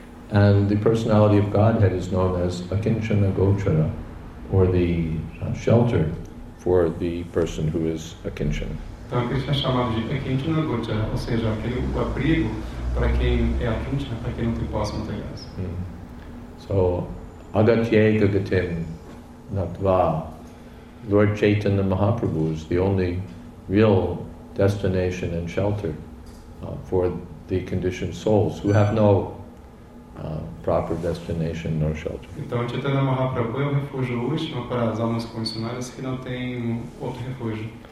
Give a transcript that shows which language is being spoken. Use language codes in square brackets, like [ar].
[en] And the personality of Godhead is known as Akinchana Gochara, or the shelter for the person who is Akinchana. [pt] Então, Krishna é chamado de Akinchana Gochara, ou seja, aquele abrigo para quem é Akinchana, para quem não tem posse materiais. [en] So, [sa] Agatye Gagatim Natva, [en] Lord Chaitanya Mahaprabhu is the only real destination and shelter for the conditioned souls who have no proper destination nor shelter. [pt] Então, Chaitanya Mahaprabhu é o refúgio último para as almas condicionadas que não têm outro refúgio.